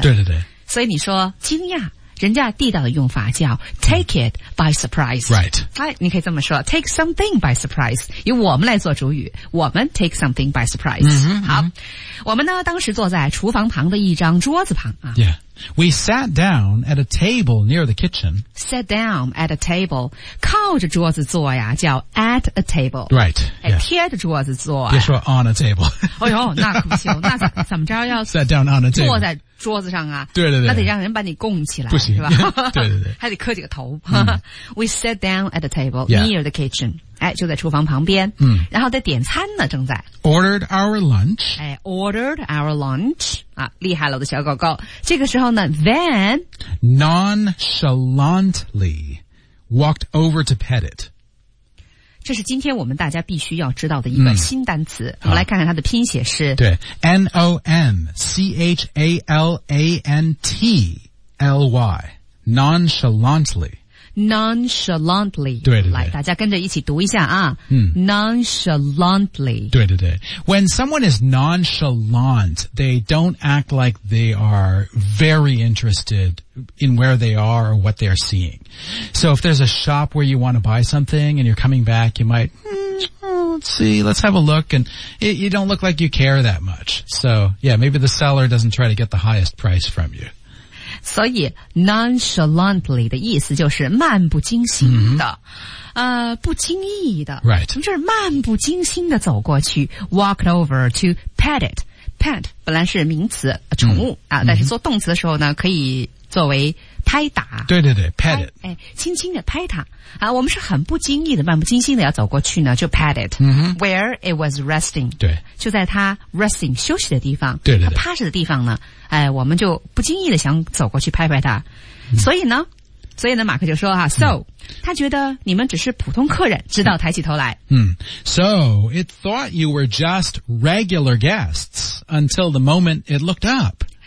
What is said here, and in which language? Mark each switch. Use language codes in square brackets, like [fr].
[zh] 对对对所以你说惊讶人家地道的用法叫 [en] take it by surprise right [zh] 哎你可以这么说 [en] take something by surprise [zh] 以我们来做主语我们 take something by surprise、 mm-hmm, 好、 mm-hmm. 我们呢当时坐在厨房旁的一张桌子旁啊 [en] yeah we sat down at a table near the kitchen sat down at a table [zh] 靠着桌子坐呀叫 at a table [en] right、yeah. [zh] 贴着桌子坐别说 [en] on a table [zh] 哎呦那可不行那怎么着要 [en] sat down on a table [zh] 坐在桌子上啊对对对那得让人把你供起来不行是吧对对对还得磕几个头、嗯、 [en] we sat down at a table near the kitchen、 yeah. [zh] 哎、就在厨房旁边、嗯、然后在点餐呢正在 [en] ordered our lunch、 [zh] 哎、 [en] ordered our lunch、 [zh] 啊、厉害了我的小狗狗这个时候呢 then [en] nonchalantly walked over to pet it [zh] 这是今天我们大家必须要知道的一个新单词、嗯、我们来看看它的拼写是 [en] 对 N-O-N-C-H-A-L-A-N-T-L-Y Nonchalantly Nonchalantly [zh] 对对对来大家跟着一起读一下啊、嗯、 [en] Nonchalantly 对对对 When someone is nonchalant they don't act like they are very interested in where they are or what they are seeing so if there's a shop where you want to buy something and you're coming back you might、let's see let's have a look and it, you don't look like you care that much so yeah maybe the seller doesn't try to get the highest price from you [zh] 所以 nonchalantly 的意思就是漫不经心的、 mm-hmm. 不经意的、 [en] right. [zh] 就是漫不经心的走过去 [en] walked over to pet it [zh] pet 本来是名词宠物、mm-hmm. 啊、但是做动词的时候呢可以作为拍打对对对 [en] pet it、 [zh] 哎、轻轻的拍它、啊、我们是很不经意的漫不经心的要走过去呢就 [en] pet it、 mm-hmm. where it was resting [zh] 对就在它 resting 休息的地方对对对它趴着的地方呢哎，我们就不经意的想走过去拍拍他、嗯、所以呢马克就说啊、嗯、So 他觉得你们只是普通客人直到抬起头来 [en] 嗯 So it thought you were just regular guests until the moment it looked up、